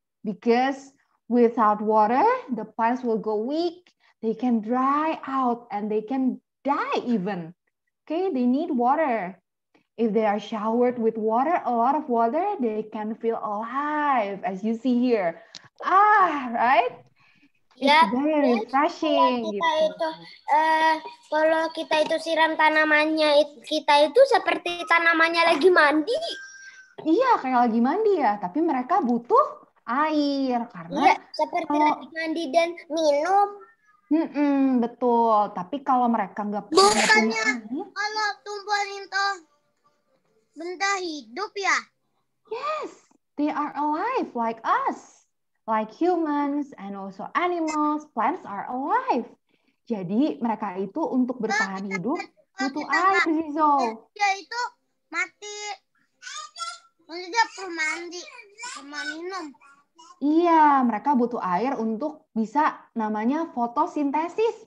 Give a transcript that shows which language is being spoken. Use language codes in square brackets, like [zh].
[en] Because without water, the plants will go weak. They can dry out and they can die even. Okay, they need water. If they are showered with water, a lot of water, they can feel alive, as you see here. Ah, right? [id] Kalau kita itu siram tanamannya, kita itu seperti tanamannya lagi mandi. Iya, kayak lagi mandi ya. Tapi mereka butuh air karena iya, seperti kalau lagi mandi dan minum. Betul. Tapi kalau mereka nggak bukannya kalau tumbuhan itu benda hidup ya? [en] Yes, they are alive like us. Like humans and also animals, plants are alive. [id] Jadi mereka itu untuk bertahan hidup butuh air, Zizo. Dia itu mati. Maksudnya perlu mandi sama minum. Iya, mereka butuh air untuk bisa namanya fotosintesis.